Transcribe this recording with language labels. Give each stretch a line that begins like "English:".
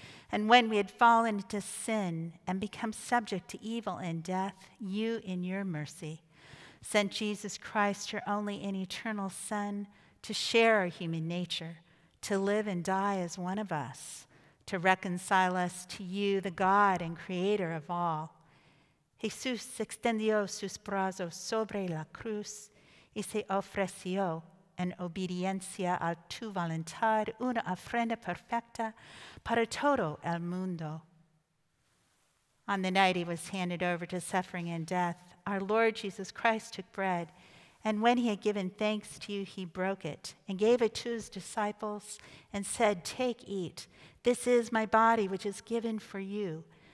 English: And when we had fallen into sin and become subject to evil and death, you, in your mercy, sent Jesus Christ, your only and eternal Son, to share our human nature, to live and die as one of us, to reconcile us to you, the God and Creator of all.
Spanish: Jesús extendió sus brazos sobre la cruz y se ofreció en obediencia a tu voluntad, una ofrenda perfecta para todo el mundo.
English: On the night he was handed over to suffering and death, our Lord Jesus Christ took bread, and when he had given thanks to you, he broke it and gave it to his disciples and said, "Take, eat. This is my body, which is given for you.